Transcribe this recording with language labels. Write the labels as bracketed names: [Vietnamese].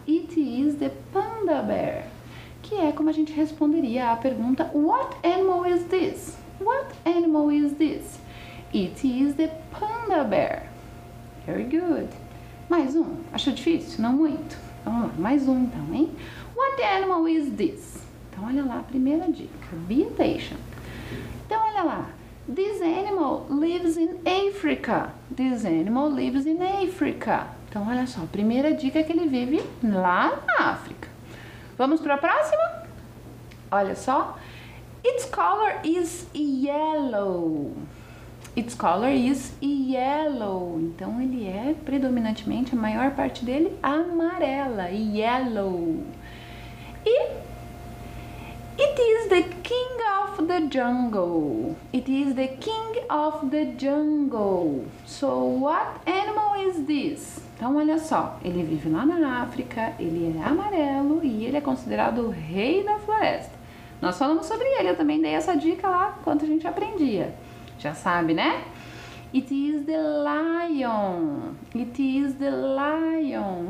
[English] It is the panda bear. [Portuguese] Que é como a gente responderia à pergunta [English] What animal is this? What animal is this? It is the panda bear. Very good. [Portuguese] Mais um. Achou difícil? Não muito. Vamos lá, mais um então, hein? [English] What animal is this? [Portuguese] Então olha lá a primeira dica. [English] Be attention. [Portuguese] Então olha lá. [English] This animal lives in Africa. This animal lives in Africa. [Portuguese] Então olha só, a primeira dica é que ele vive lá na África. Vamos para a próxima? Olha só. [English] Its color is yellow. Its color is yellow. [Portuguese] Então ele é predominantemente, a maior parte dele, amarela. [English] Yellow. E it is the king of the jungle. It is the king of the jungle. So what animal is this? [Portuguese] Então, olha só, ele vive lá na África, ele é amarelo e ele é considerado o rei da floresta. Nós falamos sobre ele, eu também dei essa dica lá, quando a gente aprendia. Já sabe, né? [English] It is the lion. It is the lion.